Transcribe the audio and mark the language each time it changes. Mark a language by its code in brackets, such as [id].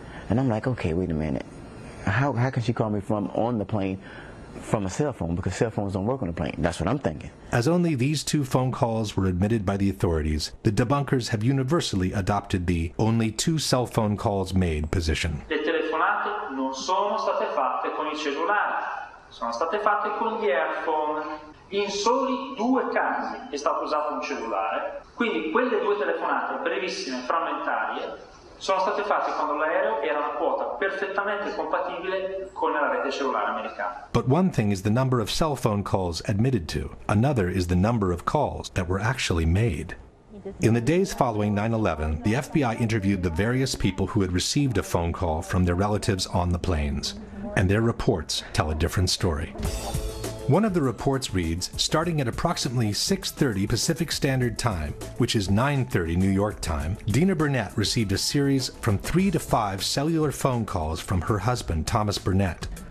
[en] And I'm like, okay, wait a minute. How can she call me from on the plane? From a cell phone, because cell phones don't work on a plane. That's what I'm thinking. As only these two phone calls were admitted by the authorities, the debunkers have universally adopted the only two cell phone calls made position. [it] Le telefonate non sono state fatte con il cellulare, sono state fatte con gli airphone. In soli due casi è stato usato un cellulare. Quindi quelle due telefonate brevissime, frammentarie, sono state fatte quando l'aereo era a quota perfettamente compatibile con la rete cellulare americana. [en] But one thing is the number of cell phone calls admitted to. Another is the number of calls that were actually made. In the days following 9/11, the FBI interviewed the various people who had received a phone call from their relatives on the planes. And their reports tell a different story. One of the reports reads, starting at approximately 6:30 Pacific Standard Time, which is 9:30 New York time, Dina Burnett received a series from 3 to 5 cellular phone calls from her husband, Thomas Burnett.